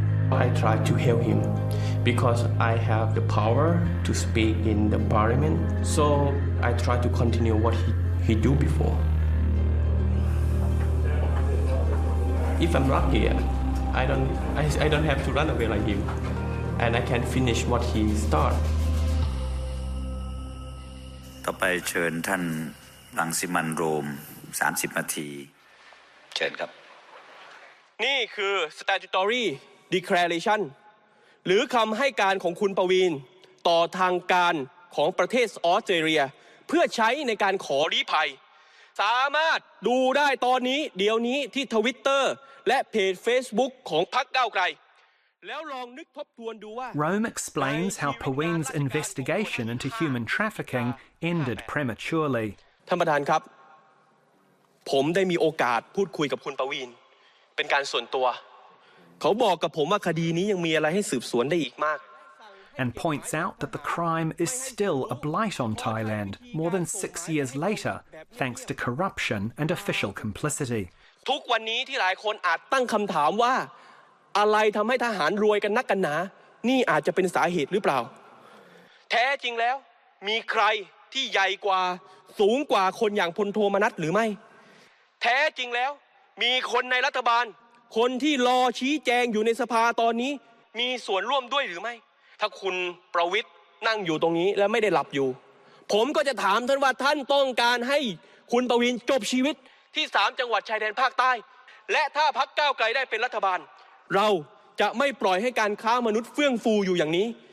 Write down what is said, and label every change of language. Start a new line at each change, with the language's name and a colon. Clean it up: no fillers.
English: I tried to help him because I have the power to speak in the parliament. So I tried to continue what he do before. If I'm lucky, I don't have to run away like him, and I can finish what he start.
Thai: ต่อไปเชิญท่านรังสิมันต์โรม30นาทีเชิญครับ นี่คือ statutory declaration หรือคำให้การของคุณประวินต่อทางการของประเทศออสเตรเลียเพื่อใช้ในการขอลี้ภัยสามารถดูได้ตอนนี้เดี๋ยวนี้ที่ Twitter และเพจ Facebook ของพรรคก้าวไกล
English: Rome explains how Pawin's investigation into human trafficking ended prematurely.
Thai: ท่านประธานครับผมได้มีโอกาสพูดคุยกับคุณปวีณเป็นการส่วนตัวเขาบอกกับผมว่าคดีนี้ยังมีอะไรให้สืบสวนได้อีกมาก
English: And points out that the crime is still a blight on Thailand more than 6 years later thanks to corruption and official complicity.
Thai: ทุกวันนี้ที่หลายคนอาจตั้งคำถามว่าอะไรทำให้ทหารรวยกันนักกันหนานี่อาจจะเป็นสาเหตุหรือเปล่าแท้จริงแล้วมีใครที่ใหญ่กว่าสูงกว่าคนอย่างพลโทมนัสหรือไม่ แท้จริงแล้วมีคนในรัฐบาลคนที่รอชี้แจงอยู่ในสภาตอนนี้มีส่วนร่วมด้วยหรือไม่ถ้าคุณประวิตรนั่งอยู่ตรงนี้และไม่ได้หลับอยู่ผมก็จะถามท่านว่าท่านต้องการให้คุณประวินจบชีวิตที่3จังหวัดชายแดนภาคใต้และถ้าพรรคก้าวไกลได้เป็นรัฐบาลเราจะไม่ปล่อยให้การค้ามนุษย์เฟื่องฟูอยู่อย่างนี้